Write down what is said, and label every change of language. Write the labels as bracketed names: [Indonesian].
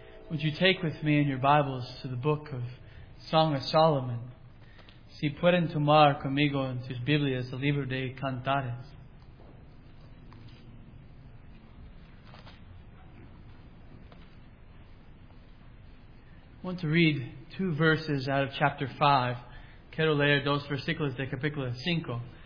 [English] Would you take with me in your Bibles to the book of Song of Solomon? [Spanish] Si pueden tomar conmigo en sus Biblias el libro de Cantares. [English] I want to read two verses out of chapter 5. [Spanish] Quiero leer dos versículos de capítulo 5.